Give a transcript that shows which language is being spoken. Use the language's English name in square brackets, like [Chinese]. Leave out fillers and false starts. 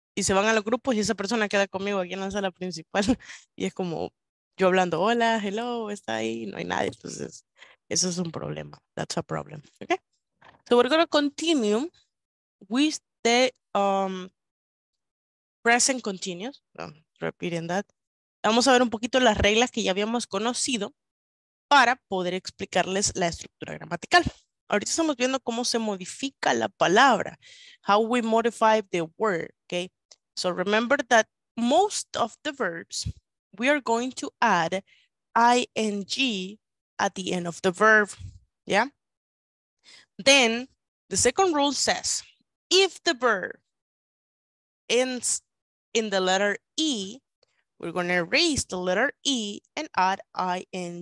[Spanish] Y se van a los grupos y esa persona queda conmigo aquí en la sala principal. Y es como yo hablando, hola, hello, está ahí, no hay nadie. Entonces, eso es un problema. [English] That's a problem. Okay. So we're going to continue with the present continuous. Repeating that. [Spanish] Vamos a ver un poquito las reglas que ya habíamos conocido para poder explicarles la estructura gramatical. Ahorita estamos viendo cómo se modifica la palabra. [English] How we modify the word. Okay. So remember that most of the verbs, we are going to add ing at the end of the verb, yeah? Then the second rule says, if the verb ends in the letter E, we're going to erase the letter E and add ing.